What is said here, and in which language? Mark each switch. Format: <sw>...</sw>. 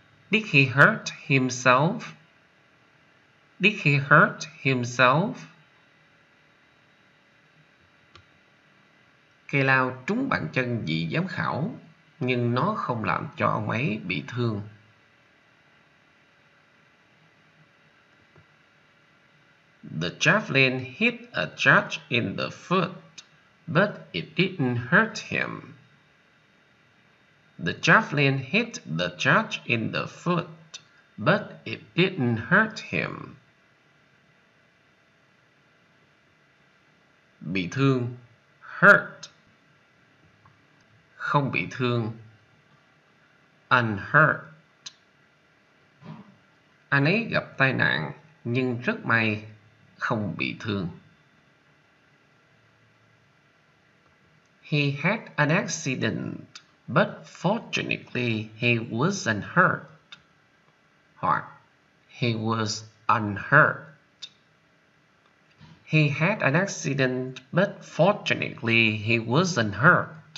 <en>Did he hurt himself? Did he hurt himself?</en> <vi>Cây lao trúng bàn chân vị giám khảo, nhưng nó không làm cho ông ấy bị thương.</vi> <en>The javelin hit a judge in the foot, but it didn't hurt him. The javelin hit the judge in the foot, but it didn't hurt him.</en> <vi>Bị thương, hurt. Không bị thương, unhurt. Anh ấy gặp tai nạn, nhưng rất may không bị thương.</vi> <en>He had an accident, but fortunately he wasn't hurt.</en> <vi>Hoặc,</vi> <en>he was unhurt. He had an accident, but fortunately he wasn't hurt.</en>